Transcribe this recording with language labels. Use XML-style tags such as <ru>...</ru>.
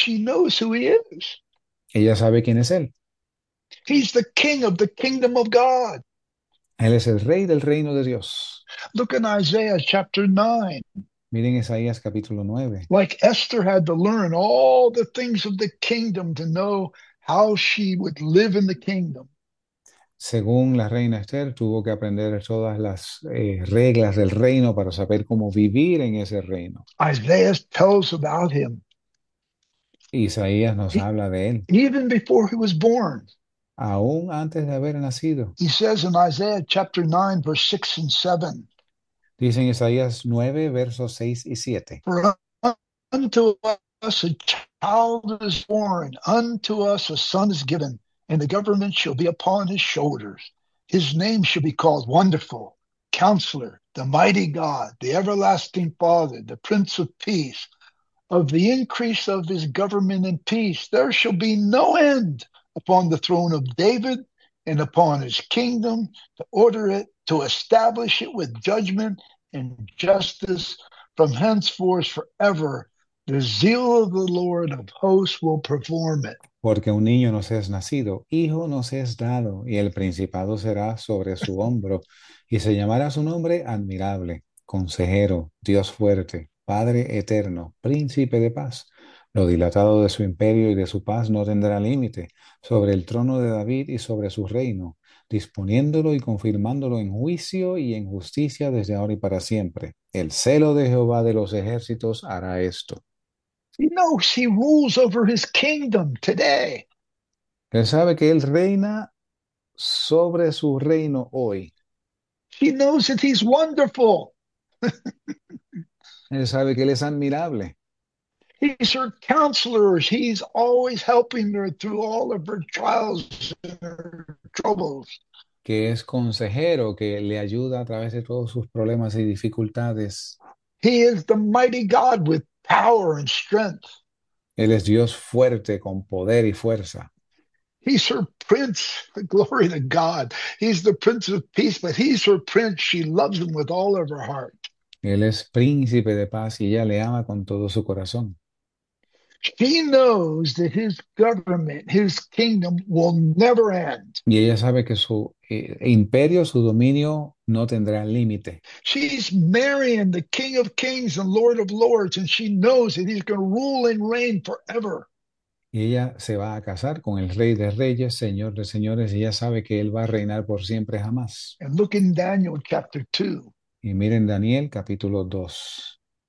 <en>She knows who he is.</en> <es>Ella sabe quién es él.</es> <en>He's the king of the kingdom of God.</en> <es>Él es el Rey del Reino de Dios.</es> <en>Look in Isaiah chapter 9.</en> <es>Miren Isaías capítulo 9.</es> <en>Like Esther had to learn all the things of the kingdom to know how she would live in the kingdom.</en> <es>Según la reina Esther, tuvo que aprender todas las reglas del reino para saber cómo vivir en ese reino.</es> <en>Isaiah tells about him.</en> <es>Isaías nos habla de él.</es> <en>Even before he was born,</en> <es>Aún antes de haber nacido.</es> <en>he says in Isaiah chapter 9, verse 6 and 7,</en> <es>Dicen Isaías 9, versos 6 y 7.</es> <en>For unto us a child is born, unto us a son is given, and the government shall be upon his shoulders. His name shall be called Wonderful, Counselor, the Mighty God, the Everlasting Father, the Prince of Peace. Of the increase of his government and peace, there shall be no end upon the throne of David and upon his kingdom to order it, to establish it with judgment and justice from henceforth forever. The zeal of the Lord of hosts will perform it.</en> <es>Porque un niño nos es nacido, hijo nos es dado, y el principado será sobre su hombro, y se llamará su nombre Admirable, Consejero, Dios Fuerte, Padre Eterno, Príncipe de Paz. Lo dilatado de su imperio y de su paz no tendrá límite sobre el trono de David y sobre su reino, disponiéndolo y confirmándolo en juicio y en justicia desde ahora y para siempre. El celo de Jehová de los ejércitos hará esto.</es> <en>He rules over his kingdom today.</en> <es>Él sabe que él reina sobre su reino hoy.</es> <en>He knows that he's wonderful.</en> <es>Él sabe que él es admirable.</es> <en>He's her counselor. He's always helping her through all of her trials and her troubles.</en> <es>Que es consejero, que le ayuda a través de todos sus problemas y dificultades.</es> <en>He is the mighty God with power and strength.</en> <es>Él es Dios fuerte con poder y fuerza.</es> <en>He's her prince, glory to God. He's the prince of peace, but he's her prince. She loves him with all of her heart.</en> <es>Él es príncipe de paz y ella le ama con todo su corazón.</es> <en>She knows that his government, his kingdom will never end.</en> <es>Y ella sabe que su imperio, su dominio, no tendrá límite.</es> <en>She's marrying the King of Kings and Lord of Lords, and she knows that he's going to rule and reign forever.</en> <es>Y ella se va a casar con el Rey de Reyes, Señor de Señores, y ella sabe que él va a reinar por siempre jamás.</es> <en>And look in Daniel chapter 2.</en> <es>Y miren Daniel capítulo 2.</es>